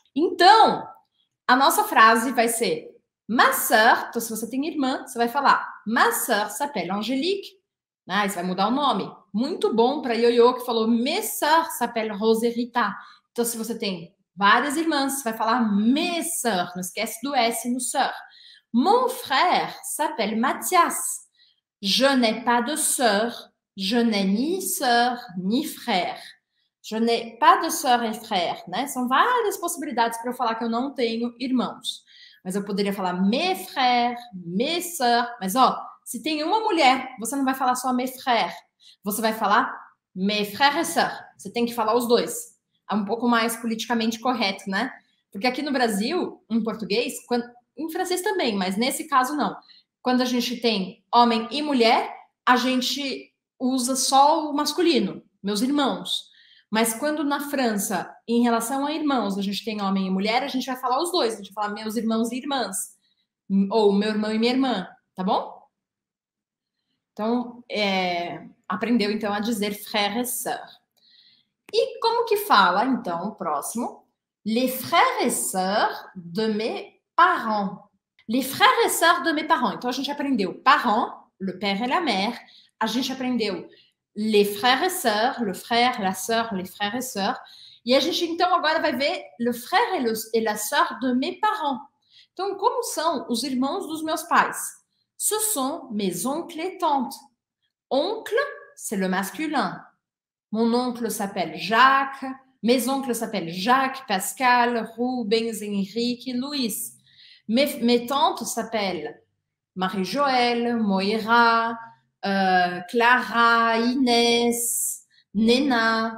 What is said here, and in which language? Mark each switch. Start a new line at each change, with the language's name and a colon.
Portuguese: Então, a nossa frase vai ser
French: ma sœur,
Portuguese: então se você tem irmã, você vai falar
French: ma sœur s'appelle Angélique.
Portuguese: Ah, isso vai mudar o nome. Muito bom para Yoyo que falou
French: mes sœurs s'appelle Roserita.
Portuguese: Então, se você tem várias irmãs, você vai falar
French: mes sœurs.
Portuguese: Não esquece do S no sœur.
French: Mon frère s'appelle Mathias. Je n'ai pas de sœur. Je n'ai ni sœur ni frère. Je n'ai pas de sœur et frère.
Portuguese: Né? São várias possibilidades para eu falar que eu não tenho irmãos. Mas eu poderia falar
French: mes frères, mes sœurs.
Portuguese: Mas, ó, se tem uma mulher, você não vai falar só
French: mes frères.
Portuguese: Você vai falar
French: mes frères et sœurs.
Portuguese: Você tem que falar os dois. É um pouco mais politicamente correto, né? Porque aqui no Brasil, em português, em francês também, mas nesse caso não. Quando a gente tem homem e mulher, a gente usa só o masculino, meus irmãos. Mas quando na França, em relação a irmãos, a gente tem homem e mulher, a gente vai falar os dois. A gente vai falar meus irmãos e irmãs. Ou meu irmão e minha irmã, tá bom? Então, aprendeu então a dizer
French: frère et sœur.
Portuguese: E como que fala, então, o próximo?
French: Les frères et sœurs de mes parents. Les frères et sœurs de mes parents.
Portuguese: Então, a gente aprendeu
French: parents, le père et la mère.
Portuguese: A gente aprendeu
French: les frères et sœurs, le frère, la sœur, les frères et sœurs.
Portuguese: E a gente, então, agora vai ver
French: le frère et la sœur de mes parents.
Portuguese: Então, como são os irmãos dos meus pais?
French: Ce sont mes oncles et tantes. Oncle, c'est le masculin. Mon oncle s'appelle Jacques. Mes oncles s'appellent Jacques, Pascal, Rubens, Enrique, Luis. Mes tantes s'appellent Marie-Joël, Moira, Clara, Inès, Nena.